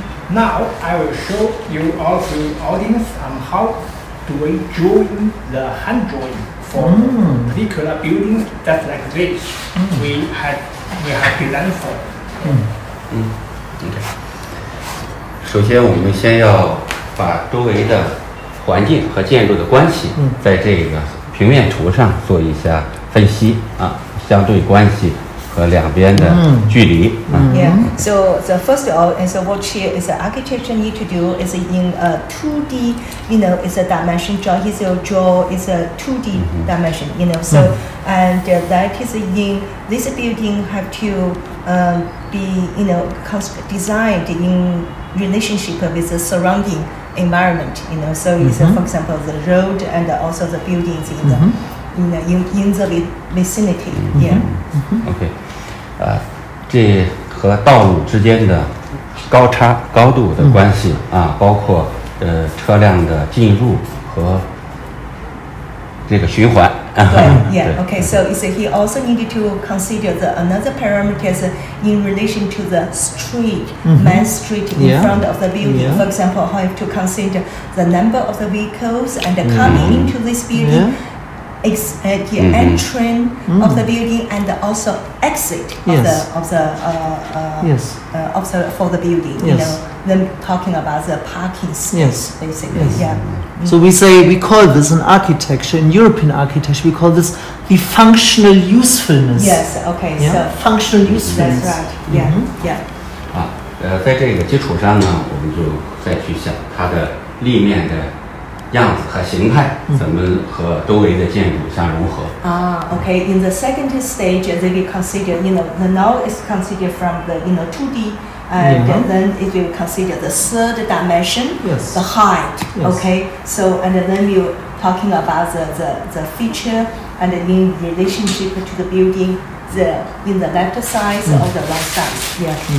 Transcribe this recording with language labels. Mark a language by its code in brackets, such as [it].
[en] now I will show you all to the audience how do we join the hand drawing for particular buildings just like this we have designed for. Okay. [zh] 首先我们先要把周围的环境和建筑的关系在这个平面图上做一下分析啊，相对关系和两边的距离。 [en] So the first of all is what here is the architecture need to do is in a 2D, you know, is a dimension draw. He's a draw is a 2D dimension, you know. So and that is in this building have to be, you know, designed in relationship with the surrounding environment, you know. So it's for example the road and also the buildings in the in the vicinity, [zh] OK, 这和道路之间的高差高度的关系包括车辆的进入和这个循环。 [en] Yeah, okay, so he also needed to consider the another parameters in relation to the street, main street in front of the building. Yeah. For example, how to consider the number of the vehicles and the coming into this building, entering of the building, and also exit for the building. Yes. You know, then talking about the parking space, basically. Yes. Yeah. So we call this an architecture, in European architecture, we call this the functional usefulness. Yes, okay, yeah? So functional usefulness. That's right, yeah, yeah. [zh] 在这个基础上呢，我们就再去想它的立面的样子和形态怎么和周围的建筑相融合。 [en] Okay, in the second stage, they will consider, you know, the now is considered from the, you know, 2D,and then it will consider the third dimension, the height, okay? So, and then you're talking about the feature and in relationship to the building, the, in the left side or the right side, yeah.